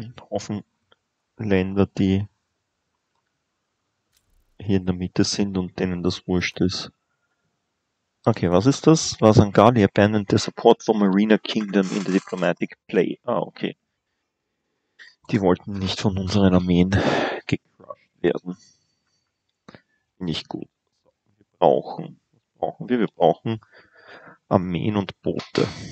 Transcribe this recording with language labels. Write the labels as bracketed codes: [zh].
[de] Hoffen Länder, die hier in der Mitte sind und denen das wurscht ist. Okay, was ist das? [en] Was an Gali abandoned the support for Marina Kingdom in the diplomatic play? Ah, okay. [de] Die wollten nicht von unseren Armeen gecrushed werden. Nicht gut. Was brauchen wir? Wir brauchen Armeen und Boote.